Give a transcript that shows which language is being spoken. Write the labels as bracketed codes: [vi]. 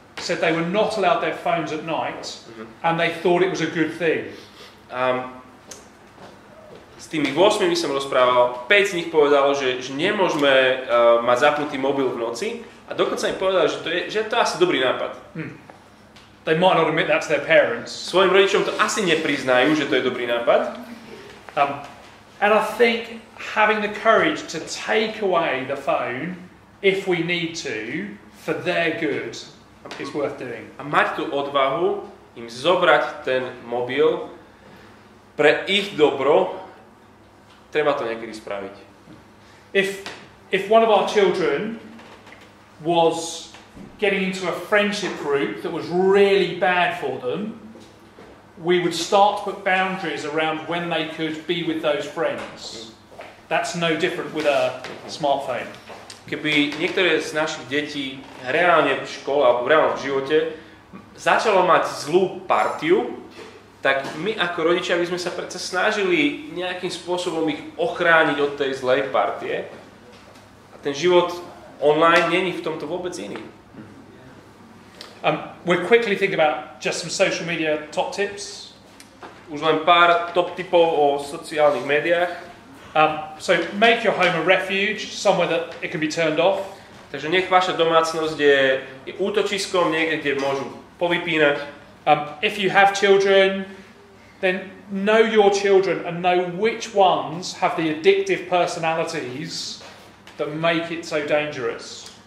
[en] said they were not allowed their phones at night uh-huh. and they thought it was a good thing. [sk] S tými 8 som rozprával, 5 z nich povedalo, že nemôžeme mať zapnutý mobil v noci a dokonca mi povedal, že to je asi dobrý nápad. [en] They might not admit that to their parents. [sk] Svojim rodičom to asi nepriznajú, že to je dobrý nápad. [en] And I think having the courage to take away the phone if we need to for their good is worth doing. [sk] A mať tú odvahu im zobrať ten mobil pre ich dobro, treba to niekedy spraviť. [en] If one of our children was getting into a friendship group that was really bad for them, we would start to put boundaries around when they could be with those friends. That's no different with a smartphone. [sk] Keby niektoré z našich detí reálne v škole alebo reálne v živote začalo mať zlú partiu, tak my ako rodičia by sme sa predsa snažili nejakým spôsobom ich ochrániť od tej zlej partie. A ten život online není v tomto vôbec iný. [en] We'll quickly think about just some social media top tips. [sk] Už len pár top tipov o sociálnych médiách. [en] So make your home a refuge, somewhere that it can be turned off. [sk] Takže nech vaša domácnosť je útočiskom, niekde, kde môžu povypínať. [en] If you have children, then know your children and know which ones have the addictive personalities that make it so dangerous.